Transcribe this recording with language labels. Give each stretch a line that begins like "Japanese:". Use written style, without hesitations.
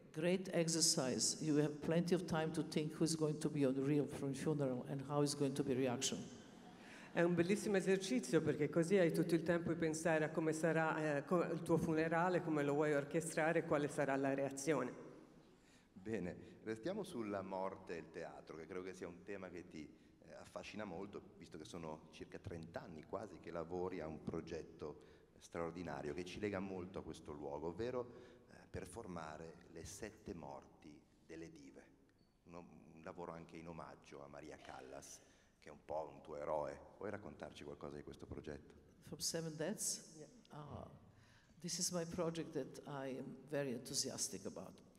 English: Great exercise. You have plenty of time to think who is going to be on the reel from funeral and how is going to be reaction.
Italian: È un bellissimo esercizio, perché così hai tutto il tempo di pensare a come sarà il tuo funerale, come lo vuoi orchestrare e quale sarà la reazione. Bene, restiamo sulla morte e il teatro, che credo che sia un tema che ti affascina molto, visto che sono circa 30 anni quasi che lavori a un progetto straordinario che ci lega molto a questo luogo, ovvero performare le sette morti delle dive, un lavoro anche in omaggio a Maria Callas, che è un po' un tuo eroe. Vuoi raccontarci qualcosa di questo progetto?
English: From Seven Deaths? Yeah. This is my project that I am very enthusiastic about.